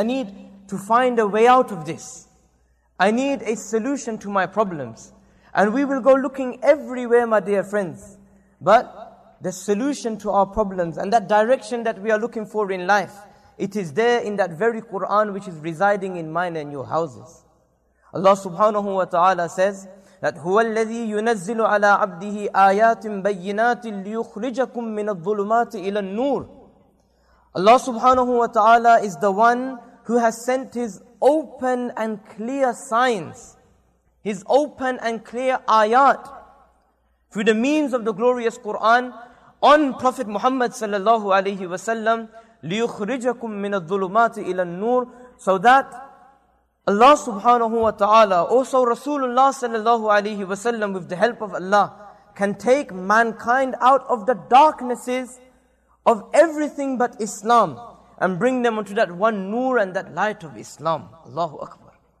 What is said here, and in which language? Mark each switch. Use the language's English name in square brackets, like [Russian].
[English] I need to find a way out of this. I need a solution to my problems. And we will go looking everywhere, my dear friends. But the solution to our problems and that direction that we are looking for in life, it is there in that very Quran which is residing in mine and your houses. Allah subhanahu wa ta'ala says that [Arabic] هُوَ الَّذِي يُنَزِّلُ عَلَىٰ عَبْدِهِ آيَاتٍ بَيِّنَاتٍ لِيُخْرِجَكُمْ مِنَ الظُّلُمَاتِ إِلَى النُّورِ. [English] Allah subhanahu wa ta'ala is the one who has sent His open and clear signs, His open and clear ayat, through the means of the glorious Quran, on Prophet Muhammad sallallahu alayhi wa sallam, [Arabic] لِيُخْرِجَكُمْ مِنَ الظُّلُمَاتِ إِلَى النُّورِ, [English] so that Allah subhanahu wa ta'ala, also Rasulullah sallallahu alayhi wa sallam, with the help of Allah, can take mankind out of the darknesses of everything but Islam and bring them onto that one nur and that light of Islam. Allahu Akbar.